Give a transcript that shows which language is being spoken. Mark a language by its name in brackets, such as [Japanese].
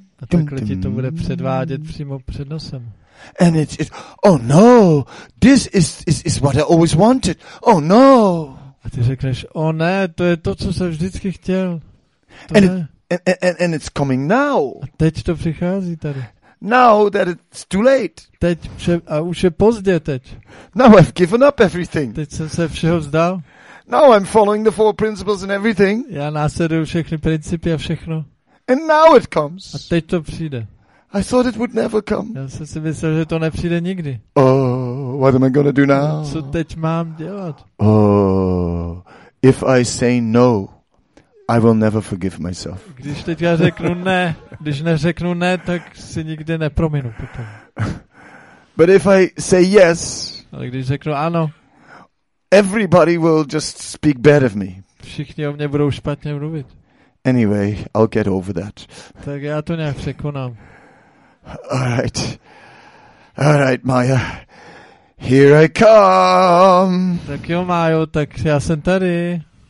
[Czech] Takhle ti to bude předvádět přímo před nosem. [English] And it's oh no, this is what I always wanted. Oh no. [Czech] A ty řekneš, oh ne, to je to, co jsem vždycky chtěl. [English] And it's coming now. [Czech] A teď to přichází tady. [English] Now that it's too late. [Czech] Teď a už je pozdě teď. [English] Now I've given up everything. [Czech] Teď jsem se všeho vzdal. [English] Now I'm following the 4 principles and everything. [Czech] Já následuju všechny principy a všechno. [English] And now it comes. [Czech] A teď to přijde. [English] I thought it would never come. [Czech] Já jsem si myslel, že to nepřijde nikdy. [English] Oh, what am I going to do now? [Czech] Co teď mám dělat? [English] Oh, if I say no, I will never forgive myself. [Czech] Když teď já řeknu ne, když neřeknu ne, tak si nikdy neprominu potom. [English] But if I say yes, [Czech] ale když řeknu ano, [English] everybody will just speak bad of me. [Czech] Všichni o mne budou špatně mluvit. [English] Anyway, I'll get over that. [Czech] Tak já to nějak překonám. [English] Alright. Alright, Maya. Here I come. [Czech] Tak jo, Majo, tak já jsem tady.